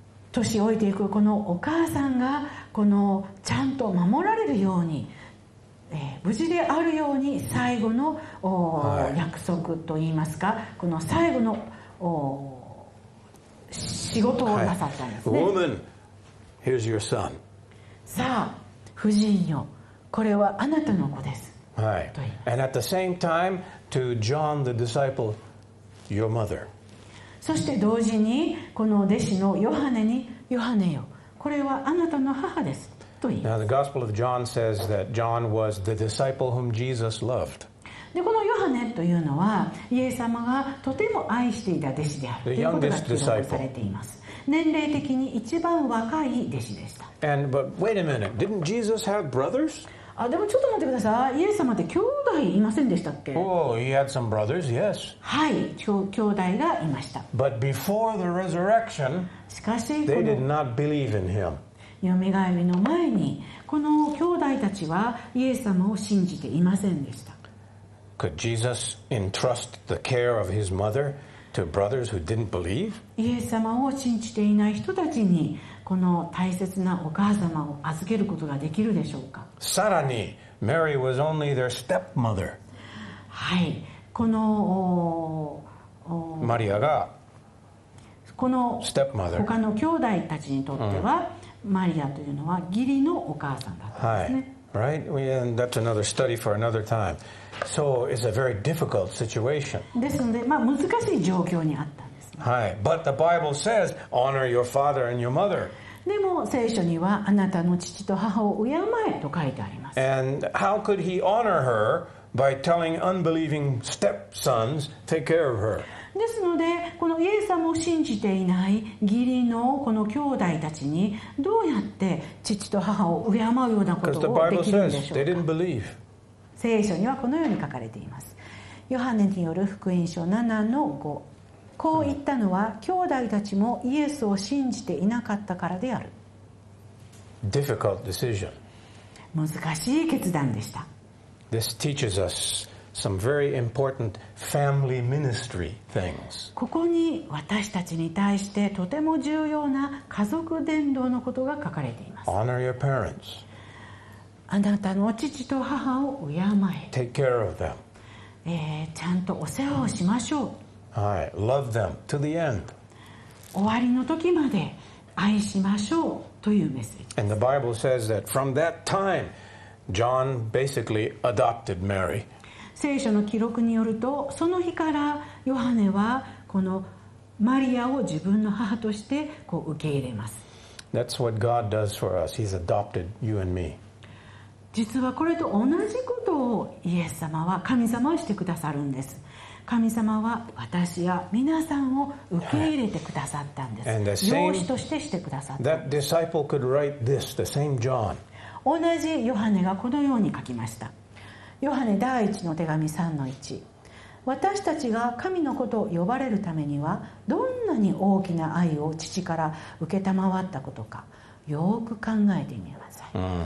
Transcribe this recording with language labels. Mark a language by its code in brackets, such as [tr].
[ja] 年老いていくこのお母さんがこのちゃんと守られるように、無事であるように最後の、約束といいますか、この最後の仕事をなさったんですね。はい、 [en] Woman, here's your son. [ja] さあ、婦人よ、これはあなたの子です。はい。 [en] And at the same time, to John the disciple, your mother. [ja] そして同時に、この弟子のヨハネに、ヨハネよ、これはあなたの母です。と言います。 [en] Now the Gospel of John says that John was the disciple whom Jesus loved. [ja] でこのヨハネというのはイエス様がとても愛していた弟子であるということが記録されています。年齢的に一番若い弟子でした。 [en] And, but wait a minute. Didn't Jesus have brothers? [ja] あ、でもちょっと待ってください、イエス様って兄弟いませんでしたっけ。 [en] Oh, he had some brothers, yes. [ja] はい、兄弟がいました。 [en] But before the resurrection, [ja] しかし [en] they did not believe in him. [ja] よみがえりの前にこの兄弟たちはイエス様を信じていませんでした。 [en] Could Jesus entrust the care of his mother to brothers who didn't believe? [ja] イエス様を信じていない人たちにこの大切なお母様を預けることができるでしょうか。 [en] さらに、Mary was only their stepmother. [ja] はい、このマリアがこの [en] stepmother [ja] 他の兄弟たちにとっては、マリアというのは義理のお母さんだったんですね。はい。 [en] Right, and that's another study for another time. So it's a very difficult situation. [ja] ですので、まあ難しい状況にあったんです。はい。 [en] But the Bible says, honor your father and your mother. [ja] でも聖書にはあなたの父と母を敬えと書いてあります。 [en] And how could he honor her by telling unbelieving stepsons, take care of her? [ja] ですのでこのイエス様を信じていない義理のこの兄弟たちにどうやって父と母を敬うようなことをできるんでしょうか。聖書にはこのように書かれています。ヨハネによる福音書 7-5、 こう言ったのは兄弟たちもイエスを信じていなかったからである。 [en] Difficult decision. [ja] 難しい決断でした。 [en] This teaches usSome very important family ministry things. [ja] ここに私たちに対してとても重要な家族伝道のことが書かれています。 [en] Honor your parents. [ja] あなたの父と母を敬え。 [en] Take care of them. [ja] ちゃんとお世話をしましょう。 [en] はい。Love them to the end. [ja] 終わりの時まで愛しましょうというメッセージ。 [en] And the Bible says that from that time, John basically adopted Mary. [ja] 聖書の記録によると、その日からヨハネはこのマリアを自分の母としてこう受け入れます。 [en] That's what God does for us. He's adopted you and me. [ja] 実はこれと同じことをイエス様は、神様はしてくださるんです。神様は私や皆さんを受け入れてくださったんです。 [en] And the [ja] same, 養子としてしてくださったんです。 [en] That disciple could write this, the same John. [ja] 同じヨハネがこのように書きました。ヨハネ第1の手紙 3-1、私たちが神のことを呼ばれるためにはどんなに大きな愛を父から受けたまわったことかよく考えてみなさい。